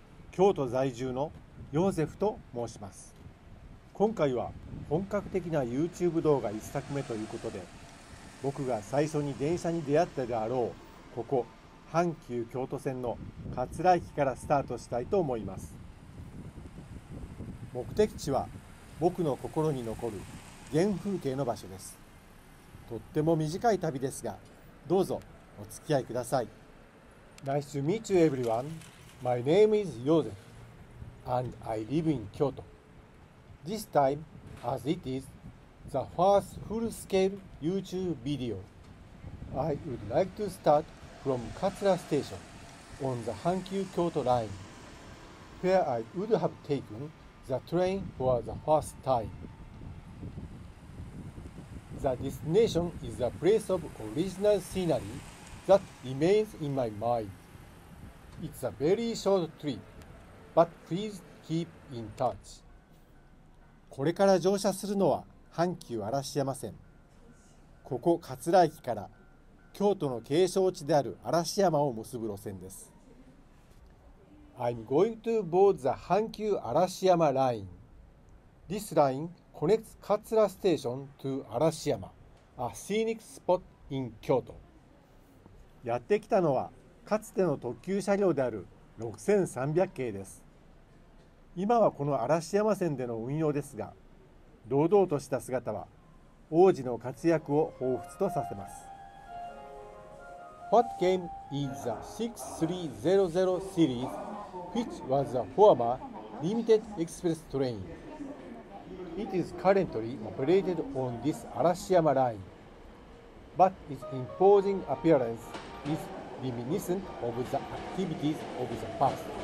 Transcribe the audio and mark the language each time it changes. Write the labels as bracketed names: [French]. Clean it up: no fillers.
[Japanese] 京都在住のヨーゼフと申します。今回は本格的な YouTube 動画1作目ということで、僕が最初に電車に出会ったであろうここ阪急京都線の桂駅からスタートしたいと思います。目的地は僕の心に残る原風景の場所です。とっても短い旅ですが、どうぞお付き合いください。 [English] Nice to meet you everyone. My name is Yosef and I live in Kyoto. This time, as it is the first full-scale YouTube video, I would like to start from Katsura Station on the Hankyu Kyoto line, where I would have taken the train for the first time. The destination is a place of original scenery that remains in my mind. It's a very short trip, but please keep in touch. [Japanese] これから乗車するのは阪急嵐山線。ここ桂駅から京都の景勝地である嵐山を結ぶ路線です。 [English] I'm going to board the 阪急嵐山 line. This lineConnects Katsura Station to Arashiyama, a scenic spot in Kyoto. [Japanese] やってきたのは、かつての特急車両である6300系です。今はこの嵐山線での運用ですが、堂々とした姿は、王子の活躍を彷彿とさせます。 [English] What game is the 6300 series, which was the former limited express train? It is currently operated on this Arashiyama line, but its imposing appearance is reminiscent of the activities of the past.